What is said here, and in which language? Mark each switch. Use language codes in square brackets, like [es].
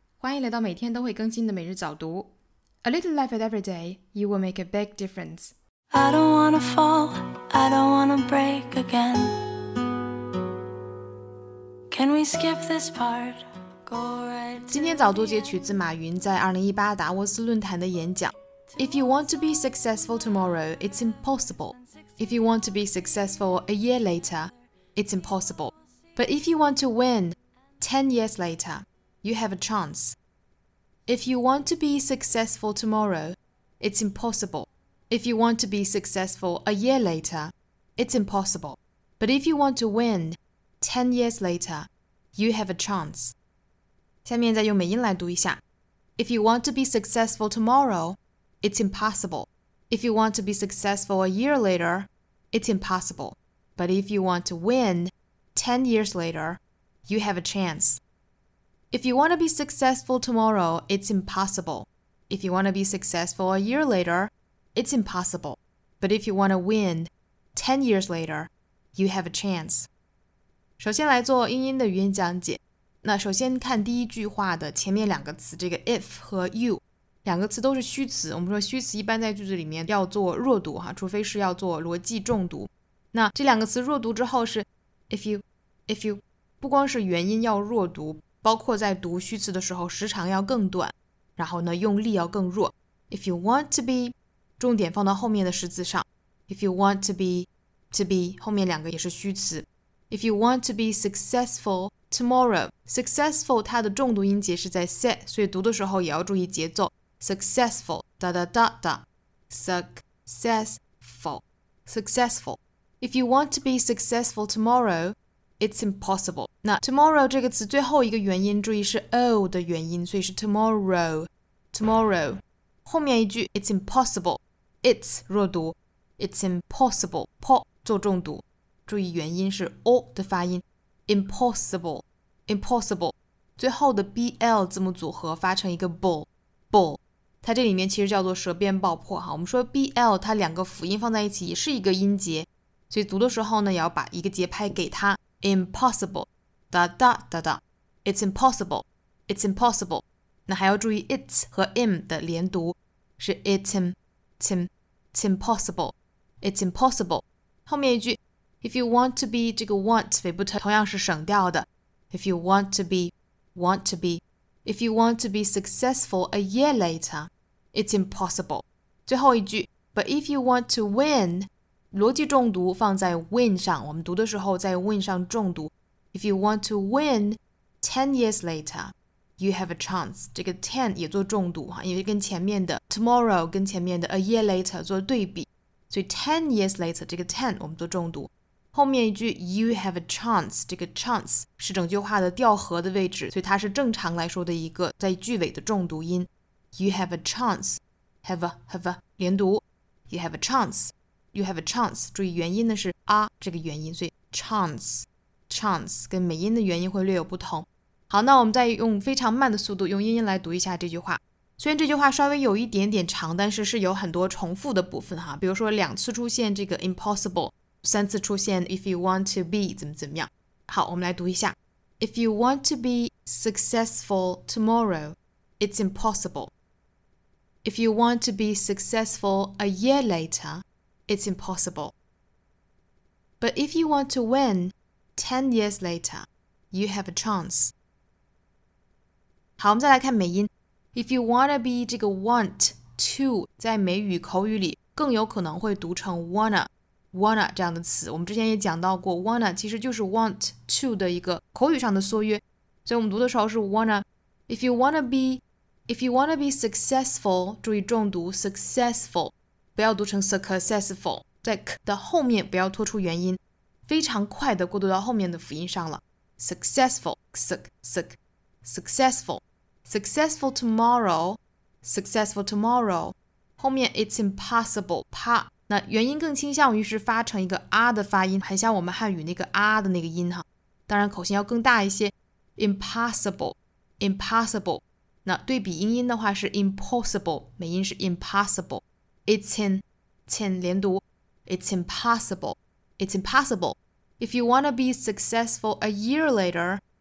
[zh] 欢迎来到每天都会更新的每日早读。 [en] A little life at every day, you will make a big difference. I don't wanna fall, I don't wanna break again. Can we skip this part? Go right. [zh] 今天早读截取自马云在2018达沃斯论坛的演讲。 [en] If you want to be successful tomorrow, it's impossible. If you want to be successful a year later, it's impossible. But if you want to win,10 years later, you have a chance. If you want to be successful tomorrow, it's impossible. If you want to be successful a year later, it's impossible. But if you want to win, 10 years later, you have a chance. [zh] 下面再用美音来读一下。 [en] If you want to be successful tomorrow, it's impossible. If you want to be successful a year later, it's impossible. But if you want to win, 10 years later,You have a chance. If you want to be successful tomorrow, it's impossible. If you want to be successful a year later, it's impossible. But if you want to win, 10 years later, you have a chance. [zh] 首先来做英音的语音讲解。那首先看第一句话的前面两个词，这个 if 和 you， 两个词都是虚词。我们说虚词一般在句子里面要做弱读哈，除非是要做逻辑重读。那这两个词弱读之后是 if you。不光是元音要弱读，包括在读虚词的时候时长要更短，然后呢用力要更弱。 [en] If you want to be， [zh] 重点放到后面的十字上。 [en] If you want to be [zh] 后面两个也是虚词。 [en] If you want to be successful tomorrow， [zh] successful 它的重读音节是在 se， 所以读的时候也要注意节奏。 [en] successful da da da da， successful。 If you want to be successful tomorrowIt's impossible. [zh] 那 tomorrow 这个词最后一个元音注意是 o 的元音，所以是 tomorrow. Tomorrow. 后面一句 [en] It's impossible. It's [zh] 弱读 [en] It's impossible. [zh] Po 做重读，注意元音是 o 的发音 Impossible. [en] Impossible. [zh] 最后的 bl 字母组合发成一个 bull. [en] Bull. [zh] 它这里面其实叫做舌边爆破哈。我们说 bl 它两个辅音放在一起也是一个音节，所以读的时候呢也要把一个节拍给它。 [en] Impossible, da da da da. It's impossible, it's impossible. [zh] 那还要注意 it's 和 im 的连读，是 [en] it's impossible, it's impossible. [zh] 后面一句 ， [en] If you want to be [zh] 这个 want 尾部同样是省掉的。 [en] If you want to be, if you want to be successful a year later, it's impossible. [zh] 最后一句 [en] ，But if you want to win. [zh] 逻辑重读放在 win 上，我们读的时候在 win 上重读。 [en] If you want to win 10 years later, you have a chance. [zh] 这个 10 也做重读，也跟前面的 tomorrow 跟前面的 a year later 做对比。所以 [en] 10 years later [zh] 这个 10 我们做重读。后面一句 [en] you have a chance, [zh] 这个 chance 是整句话的调和的位置，所以它是正常来说的一个在句尾的重读音。 [en] You have a chance, have a, [zh] 连读。 [en] You have a chance. You have a chance， [zh] 注意元音的是啊这个元音，所以 chance 跟美音的元音会略有不同。好，那我们再用非常慢的速度用英音来读一下这句话。虽然这句话稍微有一点点长，但是是有很多重复的部分哈，比如说两次出现这个 impossible， 三次出现 [en] if you want to be [zh] 怎么怎么样。好，我们来读一下。 [en] If you want to be successful tomorrow, it's impossible. If you want to be successful a year laterIt's impossible. But if you want to win, 10 years later, you have a chance. [zh] 好，我们再来看美音。 [en] If you wanna be [zh] 这个 want to 在美语口语里更有可能会读成 wanna 这样的词。我们之前也讲到过 wanna 其实就是 want to 的一个口语上的缩约，所以我们读的时候是 wanna. [en] If you wanna be successful, [zh] 注意重读 [en] successful. [zh] 不要读成 successful， 在 k 的后面不要拖出元音，非常快的过渡到后面的辅音上了。 successful tomorrow， 后面 [en] it's impossible， [zh] 啪，那元音更倾向于是发成一个啊的发音，很像我们汉语那个啊的那个音哈，当然口型要更大一些。 impossible， 那对比音的话是 impossible， 美音是 impossible。 [en] It's impossible. If you want to be successful a year later,